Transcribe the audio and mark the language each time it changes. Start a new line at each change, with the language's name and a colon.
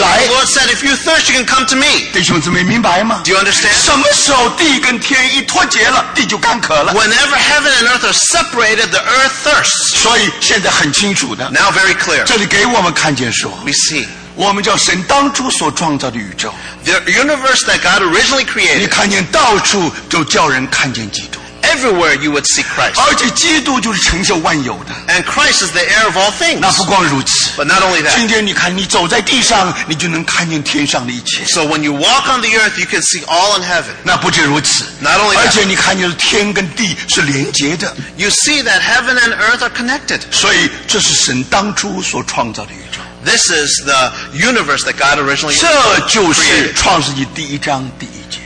English: Lord said, if you thirst, you can come to me.
Chinese: 弟兄姊妹明白吗?
English: Do you understand?
Chinese: 什么时候地跟天一脱节了,
English: whenever heaven and earth are separated, the earth thirsts.
Chinese: 所以现在很清楚的,
English: now very clear.
Chinese: 这里给我们看见说,
English: we see.
Chinese: 我们叫神当初所创造的宇宙,
English: the universe that God originally created.
Chinese: 你看见到处就叫人看见基督。
English: Everywhere you would see Christ.
Chinese: 而且基督就是成就万有的。
English: And Christ is the heir of all things.
Chinese: 那不光如此,
English: but not only that.
Chinese: 今天你看, 你走在地上, 你就能看见天上的一切。
English: So when you walk on the earth, you can see all in heaven.
Chinese: 那不止如此,
English: not only that.
Chinese: 而且你看见天跟地是连接的。
English: You see that heaven and earth are connected.
Chinese: 所以这是神当初所创造的宇宙。
English: This is the universe that God originally created.
Chinese: 这就是创世纪第一章第一节。